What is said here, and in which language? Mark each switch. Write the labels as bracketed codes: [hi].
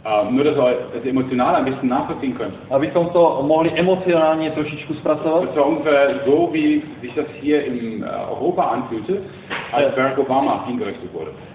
[de] Nur, dass ihr das emotional ein bisschen nachvollziehen könnt. [cs] Abychom to mohli emocionálně trošičku zpracovat. [de] Das war ungefähr so, wie sich das hier in Europa anfühlte, als Barack Obama hingerichtet wurde.